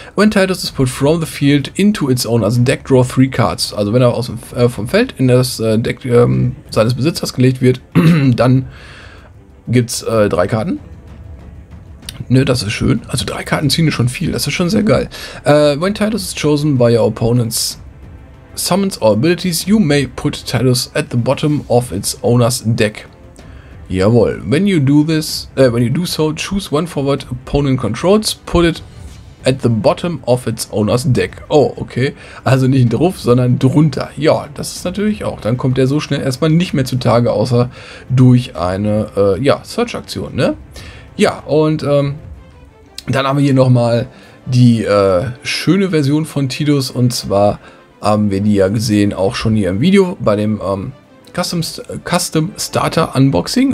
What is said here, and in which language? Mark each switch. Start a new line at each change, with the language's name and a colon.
English: When Tidus is put from the field into its own, also Deck draw 3 cards.
German: Also wenn er aus dem, vom Feld in das Deck seines Besitzers gelegt wird, dann gibt's 3 Karten. Ne, das ist schön. Also 3 Karten ziehen ist schon viel. Das ist schon sehr geil.
English: When Tidus is chosen by your opponent's summons or abilities, you may put Tidus at the bottom of its owner's deck. Jawohl. When you do this, when you do so, choose one forward opponent controls, put it at the bottom of its owner's deck.
German: Oh, okay. Also nicht drauf, sondern drunter. Ja, das ist natürlich auch. Dann kommt der so schnell erstmal nicht mehr zutage, außer durch eine, Search-Aktion, ne? Ja, und dann haben wir hier nochmal die schöne Version von Tidus. Und zwar haben wir die ja gesehen auch schon hier im Video bei dem Custom Starter Unboxing.